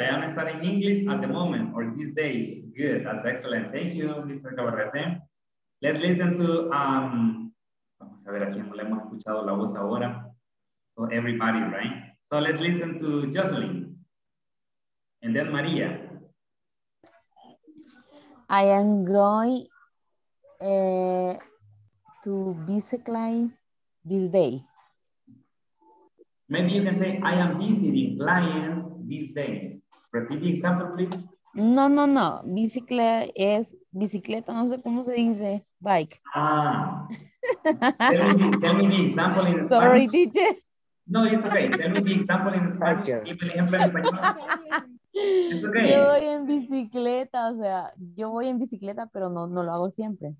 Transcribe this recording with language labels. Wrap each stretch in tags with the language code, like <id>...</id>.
<en>I am studying English at the moment or these days. Good. That's excellent. Thank you, Mr. Gabarrete. Let's listen to</en> <es>vamos a ver a quién le hemos escuchado la voz ahora.</es> <en>So everybody, right? So let's listen to Jocelyn. And then Maria. I am going to visit this day. Maybe you can say, I am visiting clients these days. Repeat the example, please. No.</en> <es>Bicicleta es bicicleta, no sé cómo se dice, bike.</es> <en>Ah. tell me the example in Spanish. Sorry, teacher. No, it's okay. Tell me the example in Spanish. Give me the example in Spanish. It's okay.</en> <es>Yo voy en bicicleta, o sea, yo voy en bicicleta, pero no lo hago siempre.</es>